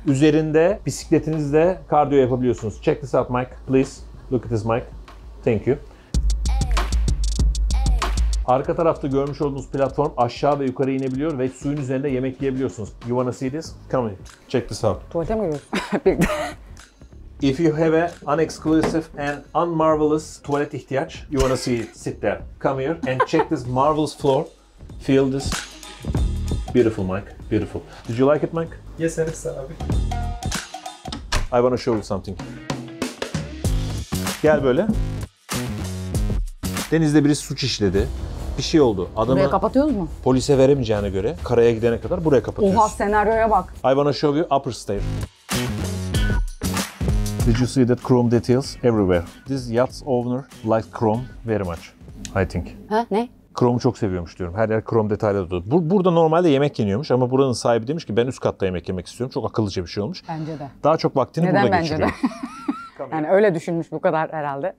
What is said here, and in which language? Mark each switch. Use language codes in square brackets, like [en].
[tr] Üzerinde bisikletinizle kardiyo yapabiliyorsunuz. [en] Check this out, Mike. Please, look at this, Mike. Thank you. [tr] Arka tarafta görmüş olduğunuz platform aşağı ve yukarı inebiliyor ve suyun üzerinde yemek yiyebiliyorsunuz. [en] You wanna see this? Come here. Check this out. [tr] Tuvalete mi gidiyorsun? [en] If you have an unexclusive and unmarvelous toilet ihtiyaç, you wanna see it, sit there. Come here and check this marvelous floor. Feel this. Beautiful, Mike. Beautiful. Did you like it, Mike? Yes, I did, abi. I wanna show you something. [tr] Gel böyle. Denizde biri suç işledi. Bir şey oldu. Adamı buraya kapatıyoruz mu? Polise veremeyeceğine göre karaya gidene kadar buraya kapatıyoruz. Oha, senaryoya bak. [en] I wanna show you upper stair. Did you see that chrome details everywhere? This yacht's owner liked chrome very much, I think. [tr] Ha, ne? Chrome'u çok seviyormuş diyorum. Her yer chrome detaylı dolu. Burada normalde yemek yeniyormuş ama buranın sahibi demiş ki ben üst katta yemek yemek istiyorum. Çok akıllıca bir şey olmuş. Bence de. Daha çok vaktini neden burada bence geçiriyor. Neden bence de? Yani öyle düşünmüş bu kadar herhalde.